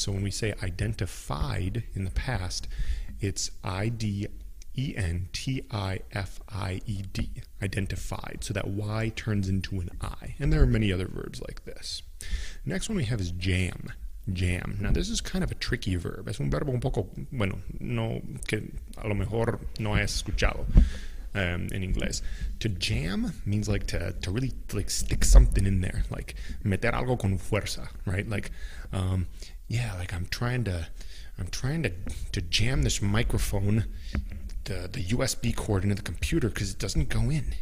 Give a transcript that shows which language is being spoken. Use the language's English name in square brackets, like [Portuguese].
[English] So when we say identified in the past, it's I-D-E-N-T-I-F-I-E-D, identified, so that Y turns into an I, and there are many other verbs like this. Next one we have is jam. Jam. Now, this is kind of a tricky verb. [Spanish] Es un verbo un poco, bueno, no, que a lo mejor no hayas escuchado in inglés. [English] To jam means like to really like stick something in there, like [Spanish] meter algo con fuerza, [English] right? Like, I'm trying to jam this microphone, the USB cord into the computer because it doesn't go in.